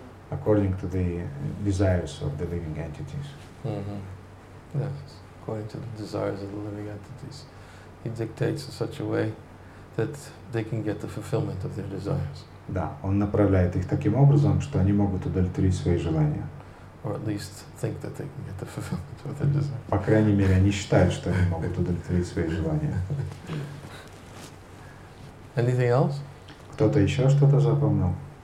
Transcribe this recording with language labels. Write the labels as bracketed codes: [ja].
[en] According to the desires of the living entities. Yes, according to the desires of the living entities. He dictates in such a way that they can get the fulfillment of their desires. [ru] Да, он направляет их таким образом, что они могут удовлетворить свои желания. [en] Or at least think that they can get the fulfillment of their desires. [ru] По крайней мере, они считают, что они могут удовлетворить свои желания. [en] Anything else? [ru] Кто-то еще что-то запомнил?